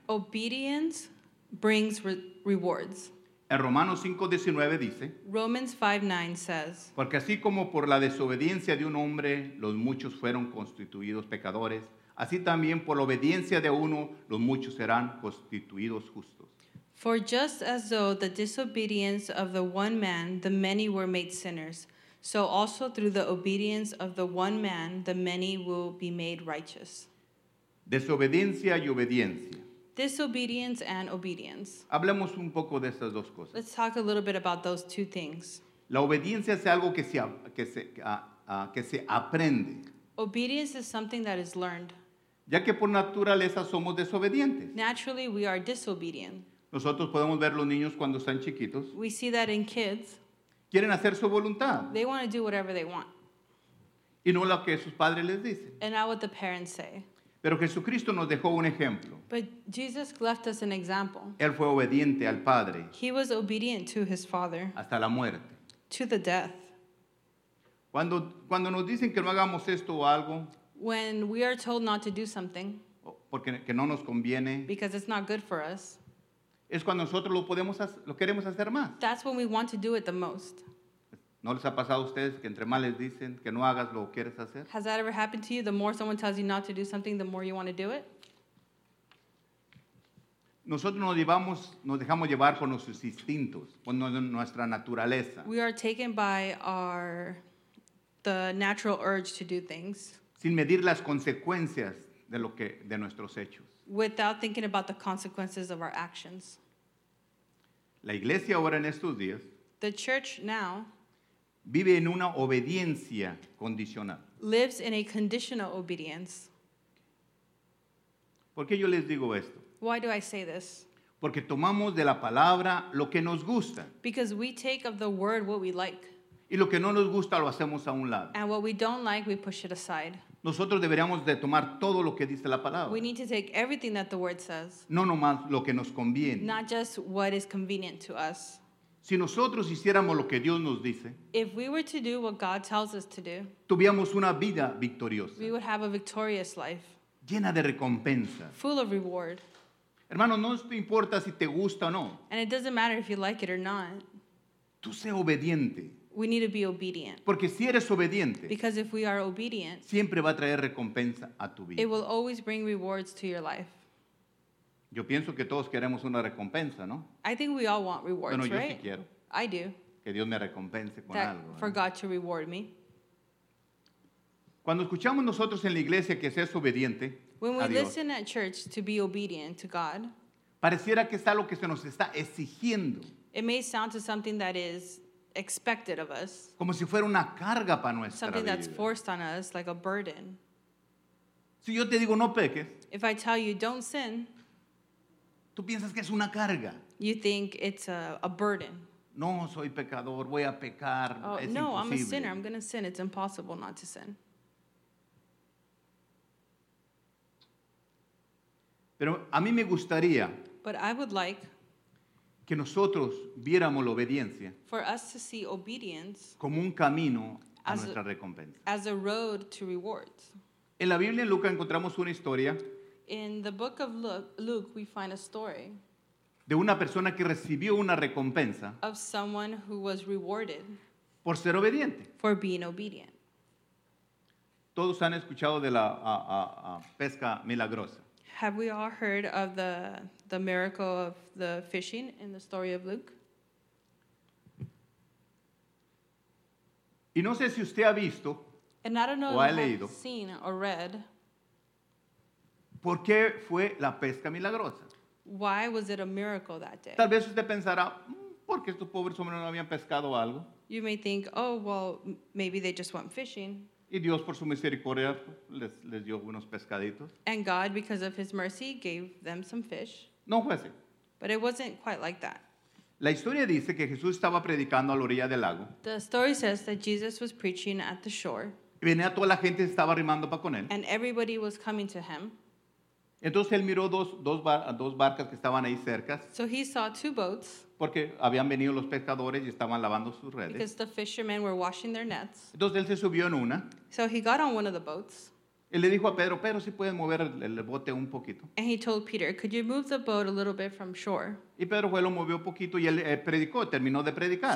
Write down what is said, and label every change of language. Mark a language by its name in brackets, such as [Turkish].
[English] Obedience brings rewards. [Spanish] En Romanos 5:19 dice, [English] Romans 5:9 says, [Spanish] porque así como por la desobediencia de un hombre los muchos fueron constituidos pecadores, así también por la obediencia de uno los muchos serán constituidos justos. [English] For just as though the disobedience of the one man, the many were made sinners, so also through the obedience of the one man, the many will be made righteous. [Spanish] Desobediencia y obediencia. [English] Disobedience and obedience. [Spanish] Hablemos un poco de estas dos cosas. [English] Let's talk a little bit about those two things. [Spanish] La obediencia es algo que se aprende. [English] Obedience is something that is learned. [Spanish] Ya que por naturaleza somos desobedientes. [English] Naturally, we are disobedient. [Spanish] Nosotros podemos ver los niños cuando están chiquitos. [English] We see that in kids. [Spanish] Quieren hacer su voluntad. [English] They want to do whatever they want. [Spanish] Y no lo que sus padres les dicen. [English] And not what the parents say. [Spanish] Pero Jesucristo nos dejó un ejemplo. [English] But Jesus left us an example. [Spanish] Él fue obediente al Padre. [English] He was obedient to his Father. [Spanish] Hasta la muerte. [English] To the death. [Spanish] Cuando nos dicen que no hagamos esto o algo, [English] when we are told not to do something, [Spanish] porque que no nos conviene, [English] because it's not good for us, [Spanish] es cuando nosotros lo queremos hacer más. [English] That's when we want to do it the most. [Spanish] ¿No les ha pasado a ustedes que entre más les dicen que no hagas lo que quieres hacer? [English] Has that ever happened to you? The more someone tells you not to do something, the more you want to do it? [Spanish] Nosotros nos dejamos llevar por nuestros instintos, por nuestra naturaleza. [English] We are taken by the natural urge to do things. [Spanish] Sin medir las consecuencias de nuestros hechos. [English] Without thinking about the consequences of our actions. [Spanish] La iglesia ahora en estos días, [English] the church now, [Spanish] vive en una obediencia condicional. [English] Lives in a conditional obedience. [Spanish] ¿Por qué yo les digo esto? [English] Why do I say this? [Spanish] Porque tomamos de la palabra lo que nos gusta. [English] Because we take of the word what we like. [Spanish] Y lo que no nos gusta lo hacemos a un lado. [English] And what we don't like, we push it aside. [Spanish] Nosotros deberíamos de tomar todo lo que dice la palabra. [English] We need to take everything that the word says. [Spanish] No nomás lo que nos conviene. [English] Not just what is convenient to us. [Spanish] Si nosotros hiciéramos lo que Dios nos dice, [English] if we were to do what God tells us to do, [Spanish] tuviéramos una vida victoriosa. [English] We would have a victorious life. [Spanish] Llena de recompensa. [English] Full of reward. [Spanish] Hermano, no te importa si te gusta o no. [English] And it doesn't matter if you like it or not. [Spanish] Tú sé obediente. [English] We need to be obedient. [Spanish] Porque si eres obediente, [English] because if we are obedient, [Spanish] siempre va a traer recompensa a tu vida. [English] It will always bring rewards to your life. [Spanish] Yo pienso que todos queremos una recompensa, ¿no? [English] I think we all want rewards, [Spanish] bueno, yo [English] right? [Spanish] Sí quiero. [English] I do. [Spanish] Que Dios me recompense con [English] that [Spanish] algo. [English] For God to reward me. [Spanish] Cuando escuchamos nosotros en la iglesia que seas obediente, [English] when we [Spanish] a Dios, [English] listen at church to be obedient to God, [Spanish] pareciera que es algo que se nos está exigiendo. [English] It may sound to something that is expected of us. [Spanish] Como si fuera una carga para nuestra [English] something [Spanish] vida. [English] That's forced on us, like a burden. [Spanish] Si yo te digo no peques, [English] if I tell you don't sin, [Spanish] tú piensas que es una carga. [English] You think it's a burden. [Spanish] No, soy pecador, voy a pecar. Oh, es no, imposible. [English] I'm a sinner, I'm going to sin. It's impossible not to sin. [Spanish] Pero a mí me gustaría, [English] but I would like, [Spanish] que nosotros viéramos la obediencia, [English] for us to see obedience, [Spanish] como un camino a nuestra recompensa. [English] As a road to rewards. [Spanish] En la Biblia en Lucas encontramos una historia. [English] In the book of Luke, we find a story [Spanish] de una persona que recibió una recompensa [English] of someone who was rewarded [Spanish] por ser obediente. [English] For being obedient. [Spanish] Todos han escuchado de la pesca milagrosa. [English] Have we all heard of the miracle of the fishing in the story of Luke? [Spanish] Y no sé si usted ha visto, [English] and I don't know [Spanish] o [English] if you [Spanish] leído, [English] have seen or read. [Spanish] ¿Por qué fue la pesca milagrosa? [English] Why was it a miracle that day? [Spanish] Tal vez usted pensará, ¿por qué estos pobres hombres no habían pescado algo? [English] You may think, oh, well, maybe they just went fishing. [Spanish] Y Dios, por su misericordia, les dio unos pescaditos. [English] And God, because of his mercy, gave them some fish. [Spanish] No fue así. [English] But it wasn't quite like that. [Spanish] La historia dice que Jesús estaba predicando a la orilla del lago. [English] The story says that Jesus was preaching at the shore. [Spanish] Y venía toda la gente, estaba arrimando para con él. [English] And everybody was coming to him. [Spanish] Entonces él miró dos barcas que estaban ahí cerca. [English] So he saw two boats. [Spanish] Porque habían venido los pescadores y estaban lavando sus redes. [English] Because the fishermen were washing their nets. [Spanish] Entonces él se subió en una. [English] So he got on one of the boats. [Spanish] Y le dijo a Pedro, Pedro, ¿sí puedes mover el bote un poquito? [English] And he told Peter, could you move the boat a little bit from shore? [Spanish] Y Pedro lo movió un poquito y él predicó, terminó de predicar.